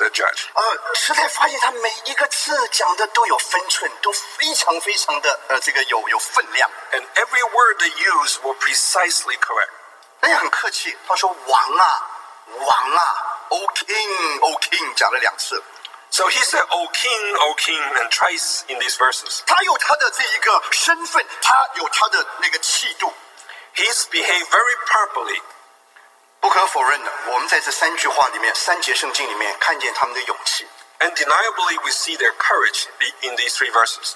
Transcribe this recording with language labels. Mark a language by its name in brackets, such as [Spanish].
[English] And every word they used were precisely correct. [Chinese] 他说王啊, [English] O king, [Chinese] 讲了两次。 [English] So he said, O king, and twice in these verses. [Chinese] 他有他的这一个身份, 他有他的那个气度。 [English] He's behaved very properly. [Chinese] 不可否认的,我们在这三句话里面,三节圣经里面看见他们的勇气。 [English] Undeniably, we see their courage in these three verses.